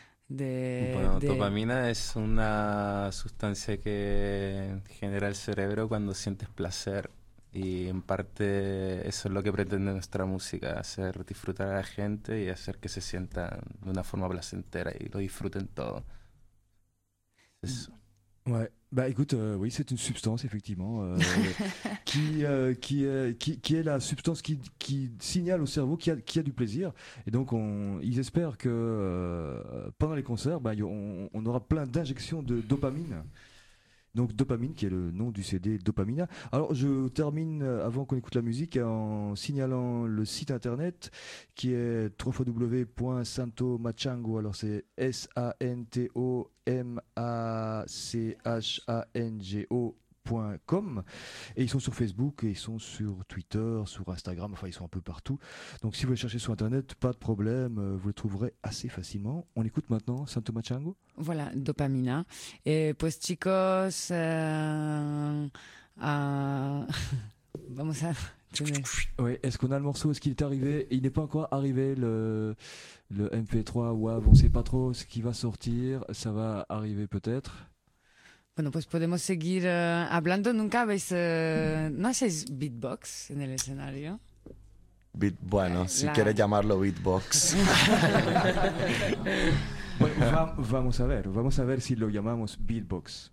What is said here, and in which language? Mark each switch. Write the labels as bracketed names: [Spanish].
[Spanish] Dopamina es una sustancia que genera el cerebro cuando sientes placer. Y en parte eso es lo que pretende nuestra música, hacer disfrutar a la gente y hacer que se sientan de una forma placentera y lo disfruten todo. Eso. [French] Ouais, bah écoute, oui, c'est une substance effectivement qui est la substance qui signale au cerveau qu'il y a du plaisir. Et donc ils espèrent que pendant les concerts, on aura plein d'injections de dopamine. Donc Dopamine, qui est le nom du CD Dopamina. Alors je termine, avant qu'on écoute la musique, en signalant le site internet qui est www.santomachango, alors c'est santomachango.com. Et ils sont sur Facebook, et ils sont sur Twitter, sur Instagram, enfin ils sont un peu partout. Donc si vous voulez chercher sur internet, pas de problème, vous les trouverez assez facilement. On écoute maintenant Santomachango. Voilà, Dopamina. [Spanish] Et pues chicos, vamos a tener. [French] Oui, est-ce qu'on a le morceau? Est-ce qu'il est arrivé? Il n'est pas encore arrivé le MP3. Wav, on ne sait pas trop ce qui va sortir. Ça va arriver peut-être. [Spanish] Bueno, pues podemos seguir hablando. Nunca habéis... ¿No hacéis beatbox en el escenario? Quieres llamarlo beatbox. vamos a ver si lo llamamos beatbox.